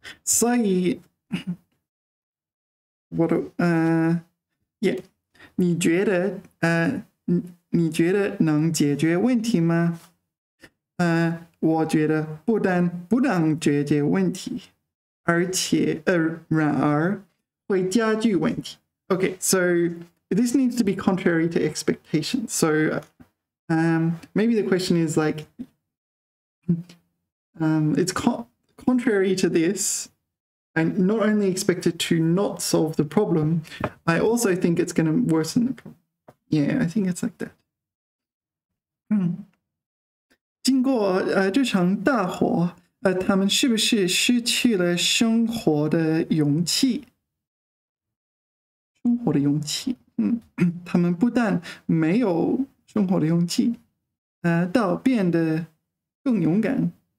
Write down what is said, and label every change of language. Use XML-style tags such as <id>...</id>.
<zh>所以，我的你觉得你觉得能解决问题吗？我觉得不但不能解决问题，而且然而会加剧问题。</zh> <en>Okay, so this needs to be contrary to expectations. So, maybe the question is like, it's contrary to this. I not only expect it to not solve the problem, I also think it's going to worsen the problem. Yeah, I think it's like that.</en> <zh>经过这场大火，他们是不是失去了生活的勇气？生活的勇气，他们不但没有生活的勇气，倒变得更勇敢。</zh>